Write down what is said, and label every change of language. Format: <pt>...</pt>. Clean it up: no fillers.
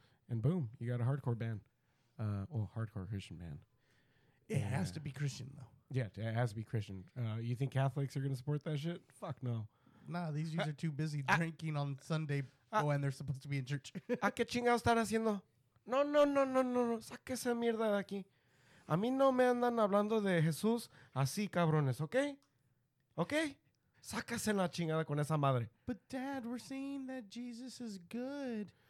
<en>And boom, you got a hardcore band. Hardcore Christian band. It has to be Christian, though. Yeah, it has to be Christian. You think Catholics are going to support that shit? Fuck no. nah, these dudes are too busy drinking on Sunday. Oh, and they're supposed to be in church.</en> <es>¿A qué chingado están haciendo? No, no, no, no, no, no. Saque esa mierda de aquí. A mí no me andan hablando de Jesús así, cabrones, ¿ok? ¿Ok? Sácase la chingada con esa madre.</es> <en>But dad, we're saying that Jesus is good.</en>